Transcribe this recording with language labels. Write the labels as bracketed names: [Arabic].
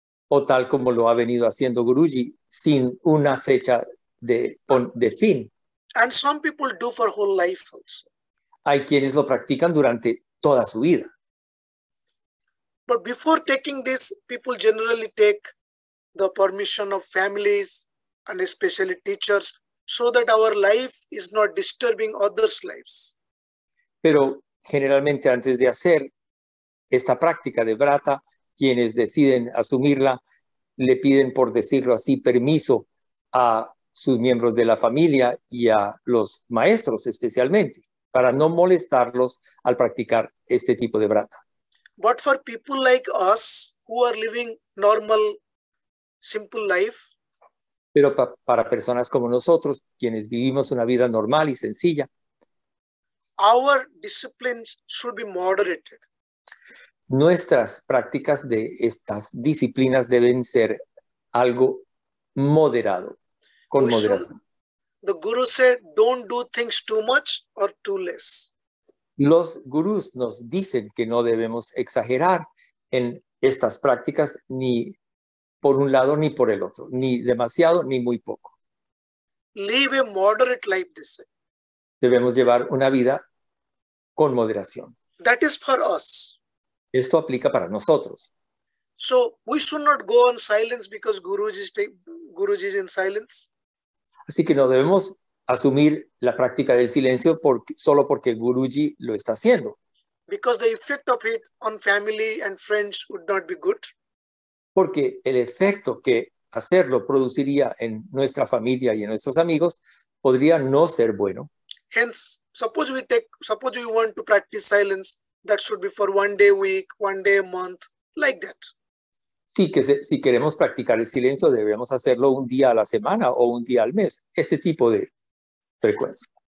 [Spanish] O tal como lo ha venido haciendo Guruji, sin una fecha de fin. [English] And some people do for whole life also. [Spanish] Hay quienes lo practican durante toda su vida. [English] But before taking this, people generally take the permission of families and especially teachers so that our life is not disturbing others' lives. [Spanish] Pero generalmente antes de hacer esta práctica de Vrata, quienes deciden asumirla, le piden, por decirlo así, permiso a sus miembros de la familia y a los maestros especialmente, para no molestarlos al practicar este tipo de Vrata. [English] But for people like us, who are living normal, simple life. [Spanish] Pero para personas como nosotros, quienes vivimos una vida normal y sencilla. [English] our disciplines should be moderated. [Spanish] Nuestras prácticas de estas disciplinas deben ser algo moderado, con moderación. [English] The guru said, don't do things too much or too less. [Spanish] Los gurús nos dicen que no debemos exagerar en estas prácticas ni por un lado ni por el otro, ni demasiado ni muy poco. [English] Live a moderate life, they say. [Spanish] Debemos llevar una vida con moderación. [English] That is for us. [Spanish] Esto aplica para nosotros. [English] So we should not go on silence because Guruji is in silence. [Spanish] Así que no debemos asumir la práctica del silencio solo porque Guruji lo está haciendo. [English] Because the effect of it on family and friends would not be good. [Spanish] Porque el efecto que hacerlo produciría en nuestra familia y en nuestros amigos podría no ser bueno. [English] Hence, suppose we want to practice silence, that should be for one day a week, one day a month, like that. [Spanish] Sí, que si queremos practicar el silencio, debemos hacerlo un día a la semana o un día al mes, ese tipo de frecuencia.